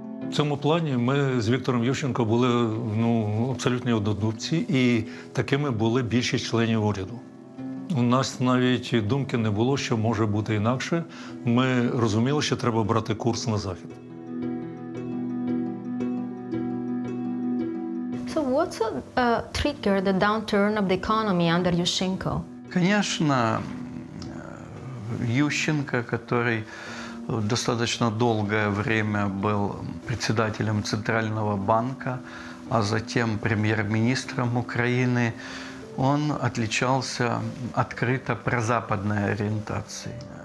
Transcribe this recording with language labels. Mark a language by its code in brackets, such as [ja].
[uk] В цьому плані ми з Віктором Ющенко були абсолютні однодумці, і такими були більшість членів уряду. У нас навіть думки не було, що може бути інакше. Ми розуміли, що треба брати курс на Захід. [en] So what's triggered the downturn of the economy under Yushchenko? [ru] Конечно, Ющенко, который достаточно долгое время был председателем Центрального банка, а затем премьер-министром Украины, он отличался открыто прозападной ориентацией.